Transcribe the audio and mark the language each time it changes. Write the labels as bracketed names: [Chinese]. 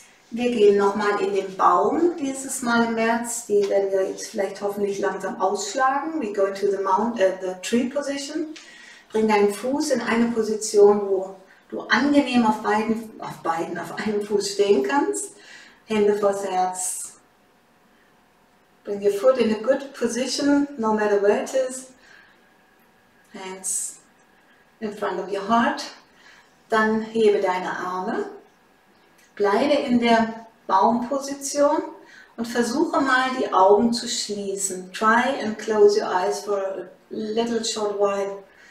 [German] Wir gehen nochmal in den Baum, dieses Mal im März. Die werden wir jetzt vielleicht hoffentlich langsam ausschlagen. [English] We go to the the tree position. [German] Bring deinen Fuß in eine Position, wo du angenehm auf einem Fuß stehen kannst. Hände vors Herz. [English] Bring your foot in a good position, no matter where it is. Hands in front of your heart. [German] Dann hebe deine Arme. Bleibe in der Baumposition und versuche mal die Augen zu schließen. [English] Try and close your eyes for a little short while.